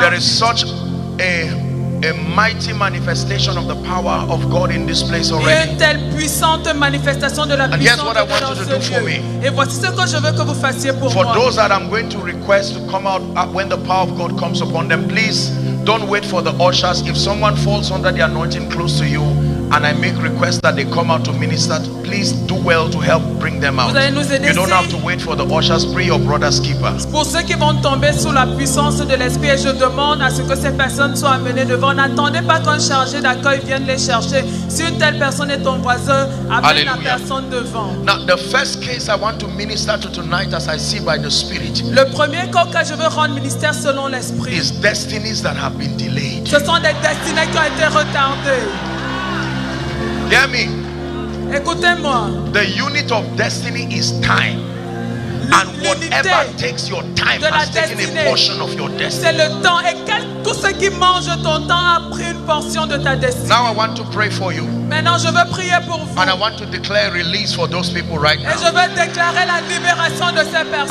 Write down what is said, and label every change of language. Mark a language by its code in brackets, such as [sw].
[en] There is such a mighty manifestation of the power of God in this place already. [fr] Une telle puissante manifestation de la puissance de Dieu. [en] And here's what I want you to do for me. [fr] Et voici ce que je veux que vous fassiez pour moi. [en] For those that I'm going to request to come out when the power of God comes upon them, please don't wait for the ushers. If someone falls under the anointing close to you and I make request that they come out to minister, please do well to help bring them out. You don't have to wait for the ushers. Pray your brother's keeper. [fr] Pour ceux qui vont tomber sous la puissance de l'esprit, je demande à ce que ces personnes soient amenées devant. N'attendez pas qu'un chargé d'accueil vienne les chercher. Si une telle personne est ton voisin, amène la personne devant. [en] Now, the first case I want to minister to tonight, as I see by the Spirit, [fr] le premier cas que je veux rendre ministère selon l'esprit, [en] is destinies that have been delayed. [fr] Ce sont des destinées qui ont été retardées. [en] Hear me. [fr] Écoutez-moi. [en] The unit of destiny is time. And whatever takes your time has taken a portion of your destiny. [fr] C'est le temps. Et tout ce qui mange ton temps a pris une portion de ta destinée. [en] Now I want to pray for you. [fr] Maintenant, je veux prier pour vous. [en] And I want to declare release for those people right now. [fr] Et je veux déclarer la libération de ces personnes.